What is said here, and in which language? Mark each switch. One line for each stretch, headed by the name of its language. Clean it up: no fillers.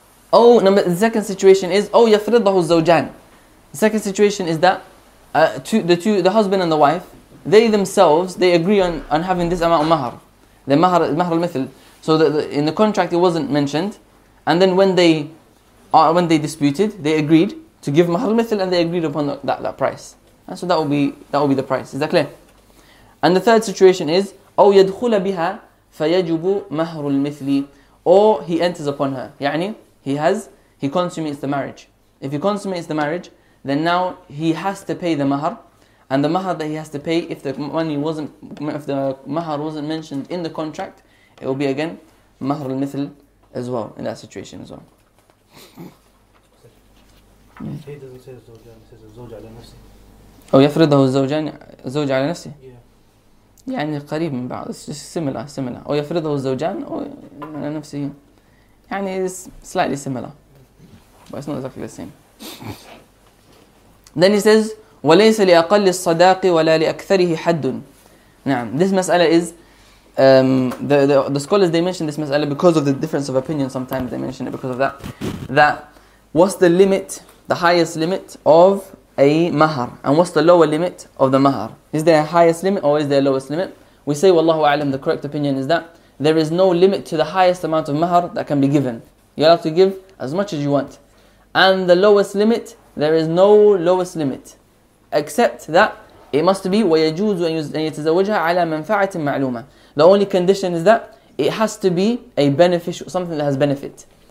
English: Oh, number, the second situation is, oh, yafridahu zawjan. The second situation is that the husband and the wife, they themselves, they agree on having this amount of mahr. The mahr al-mithl. So in the contract it wasn't mentioned. And then when they disputed, they agreed to give mahr al-mithl and they agreed upon that price. And so that will be the price. Is that clear? And the third situation is,
Arabic: أو يدخل بها فيجب مهر المثل.
English: Or he enters upon her. يعني he consummates the marriage. If he consummates the marriage, then now he has to pay the mahr. And the mahr that he has to pay, if the mahr wasn't mentioned in the contract, it will be again مهر المثل as well, in that situation as well. He doesn't say الزوجان, he says
Arabic: الزوجة على نفسي. أو يفرضه الزوجان, الزوجة على نفسي.
English: Yeah.
Arabic: يعني قريب من بعض,
English: it's similar.
Arabic: أو يفرضه الزوجان أو على نفسه, يعني
English: it's slightly similar, but it's not exactly the same. Then he says,
Arabic: وليس لأقل الصداق ولا لأكثره حد.
English: نعم, this مسألة is, the scholars, they mention this مسألة because of the difference of opinion. Sometimes they mention it because of that what's the limit, the highest limit of a mahar, and what's the lower limit of the mahar? Is there a highest limit or is there a lowest limit? We say, wallahu a'lam, the correct opinion is that there is no limit to the highest amount of mahar that can be given. You have to give as much as you want. And the lowest limit, there is no lowest limit. Except that it must be
Arabic: وَيَجُوزُ أَنْ يَتَزَوَجْهَا عَلَى مَنْفَعَةٍ مَعْلُومَةٍ.
English: The only condition is that it has to be a beneficial, something that has benefit.